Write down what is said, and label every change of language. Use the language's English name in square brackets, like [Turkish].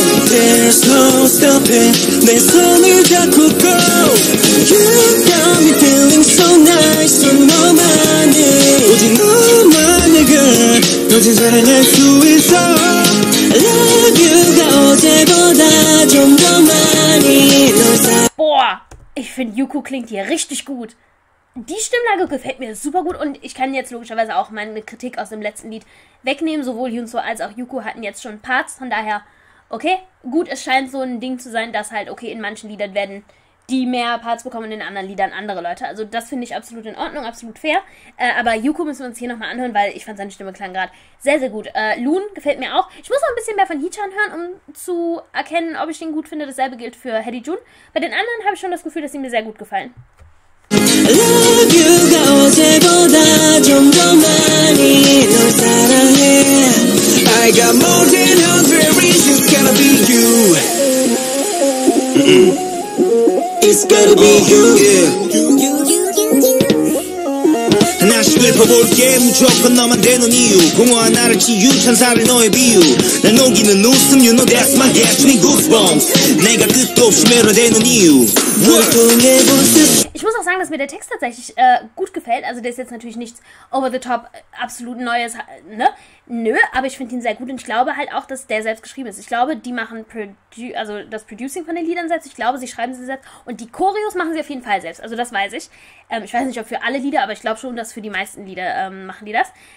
[English] There's no stopping, [Korean] 내 손을 잡고 [English] go. You got me feeling so nice, so [Korean] 너만이 오직 너만의 [English] girl, [Korean] 여진 사랑할 수 있어. [English] Love you [Korean] 가 어제보다 좀 더 많이 널 사랑. [German] Boah, ich finde Yuko klingt hier richtig gut. Die Stimmlage gefällt mir super gut und ich kann jetzt logischerweise auch meine Kritik aus dem letzten Lied wegnehmen. Sowohl Yunso als auch Yuko hatten jetzt schon Parts, von daher, okay, gut, es scheint so ein Ding zu sein, dass halt, okay, in manchen Liedern werden die mehr Parts bekommen und in anderen Liedern andere Leute. Also das finde ich absolut in Ordnung, absolut fair. Aber Yuko müssen wir uns hier nochmal anhören, weil ich fand seine Stimme klang gerade sehr, sehr gut. Loon gefällt mir auch. Ich muss noch ein bisschen mehr von Hee-chan hören, um zu erkennen, ob ich den gut finde. Dasselbe gilt für Hedi Jun. Bei den anderen habe ich schon das Gefühl, dass sie mir sehr gut gefallen. [English] Love you가 [Korean] 어제보다 좀 더 많이 널 사랑해 [English] I got more than 100 reasons gonna be you It's gotta be you yeah. [Korean] 다시 읊어볼게 무조건 너만 되는 이유 공허한 나를 치유 천사를 너의 비유 날 녹이는 웃음 [English] you know that's my destiny goosebumps [Korean] 내가 끝도 없이 매료되는 이유 뭘 통해 볼 수 [German] Ich muss auch sagen, dass mir der Text tatsächlich gut gefällt. Also der ist jetzt natürlich nichts [English] over the top, [German] absolut Neues, ne? Nö, aber ich finde ihn sehr gut und ich glaube halt auch, dass der selbst geschrieben ist. Ich glaube, die machen also das Producing von den Liedern selbst. Ich glaube, sie schreiben sie selbst und die Choreos machen sie auf jeden Fall selbst. Also das weiß ich. Ich weiß nicht, ob für alle Lieder, aber ich glaube schon, dass für die meisten Lieder machen die das.